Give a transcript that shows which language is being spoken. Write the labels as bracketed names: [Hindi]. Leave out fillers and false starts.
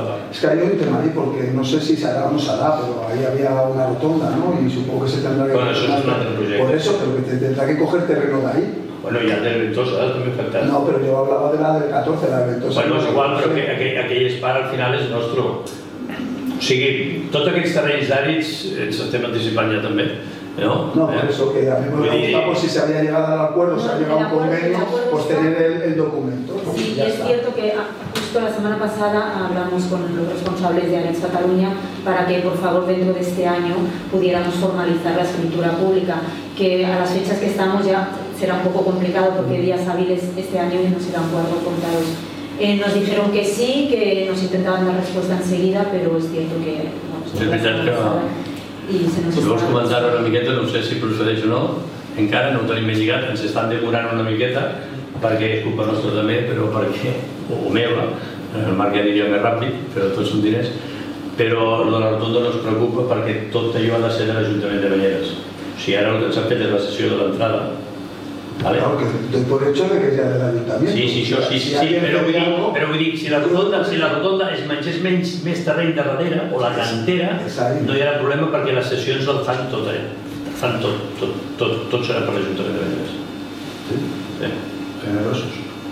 [Spanish] Es que hay un tema ahí porque no sé si se hará o no se hará, pero ahí había una rotonda, ¿no? Y supongo que se tendrá que... Bueno, eso es un otro proyecto. Por eso, pero que tendrá que coger terreno de ahí. Bueno, y al de Ventosa, ¿eh? También falta. No, pero yo hablaba de la del 14, la de Ventosa. Bueno, es igual, pero [Catalan] aquell espar [Spanish] al final es nuestro. [Catalan] O sigui, tots aquests terrenys d'àrids ens estem anticipant ja també. No, no, per això, que a mi m'ho preguntava, [Spanish] pues si se había llegado a l'acuerdo, se ha llegado a un convenio, pues tener el documento. Sí, y es cierto que justo la semana pasada hablamos con los responsables de Àrids Catalunya para que, por favor, dentro de este año pudiéramos formalizar la escritura pública, que a las fechas que estamos ya será un poco complicado porque días hábiles este año no serán cuatro contados. Nos dijeron que sí, que nos intentaban dar respuesta enseguida, pero es cierto que... Es verdad que... [Catalan] Si vols comentar una miqueta, no sé si procedeix o no, encara no ho tenim ben lligat, ens estan demorant una miqueta, perquè és culpa nostra també, però perquè, o meva, el Marc ja diria més ràpid, però tots són diners, però la rotonda no es preocupa perquè tot allò ha de ser de l'Ajuntament de Banyeres. O sigui, ara el que ens han fet és la sessió de l'entrada. [Spanish] Claro, que doy por hecho de que sea de l'Ajuntament. [Catalan] Sí, sí, això, sí, però vull dir, si la rotonda es menjés més terreny de darrere, o la cantera, no hi ha problema perquè les sessions el fan tot, eh? Fan tot, tot serà per l'Ajuntament de Banyeres. Sí, generosos.